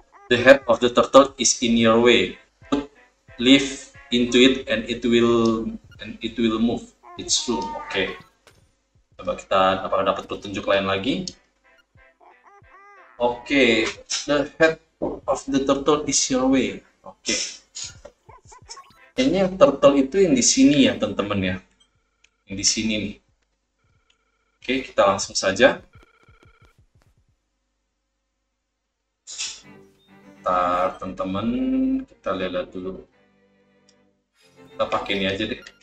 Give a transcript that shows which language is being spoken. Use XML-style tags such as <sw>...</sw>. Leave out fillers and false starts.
<en>The head of the turtle is in your way. Put leaf into it and it will move. It's true. Oke. Okay.</en> <id>Coba kita apakah dapat petunjuk lain lagi?</id> <en>Okay, the head of the turtle is your way. Okay.</en> <id>Kayaknya yang turtle itu yang di sini ya, teman-teman ya. Yang di sini nih. Oke, kita langsung saja. Bentar, teman-teman. Kita lihat dulu. Kita pakai ini aja deh.</id>